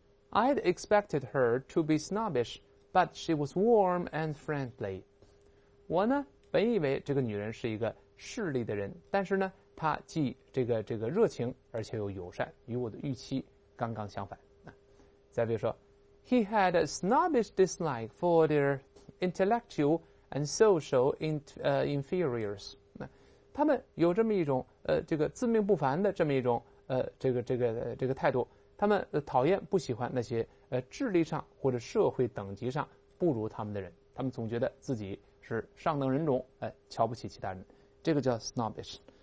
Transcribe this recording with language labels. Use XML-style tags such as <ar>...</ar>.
<en>I'd expected her to be snobbish, but she was warm and friendly.</en> <zh>我呢，本以为这个女人是一个势利的人，但是呢，她既这个热情，而且又友善，与我的预期刚刚相反。再比如说</zh> <en>，He had a snobbish dislike for their intellectual and social inferiors.</en> <zh>那他们有这么一种这个自命不凡的这么一种这个态度。他们讨厌不喜欢那些智力上或者社会等级上不如他们的人，他们总觉得自己是上等人种，瞧不起其他人，这个叫 snobbish。</zh>